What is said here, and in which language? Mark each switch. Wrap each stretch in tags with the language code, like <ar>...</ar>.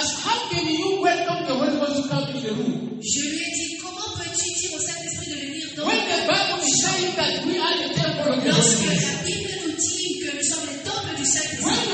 <en>As how can you welcome the Holy Ghost to come in the room?</en> <fr>Je lui ai dit, comment peux-tu dire au Saint-Esprit de venir dans</fr> <en>When the Bible is saying that we are the temple of the</en> <fr>Lorsque la Bible nous dit que nous sommes le temple du Saint-Esprit.</fr>